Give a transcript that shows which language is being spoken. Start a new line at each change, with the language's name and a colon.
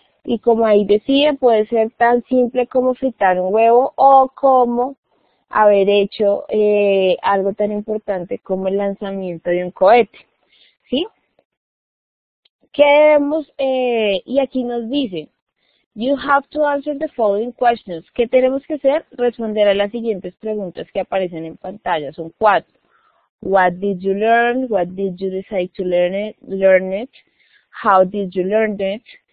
Spanish: Y como ahí decía, puede ser tan simple como fritar un huevo o como haber hecho algo tan importante como el lanzamiento de un cohete, ¿sí? ¿Qué debemos? Y aquí nos dice,
English: you have to answer the following questions.
Spanish: ¿Qué tenemos que hacer? Responder a las siguientes preguntas que aparecen en pantalla. Son cuatro.
English: What did you learn? What did you decide to learn it? How did you learn it?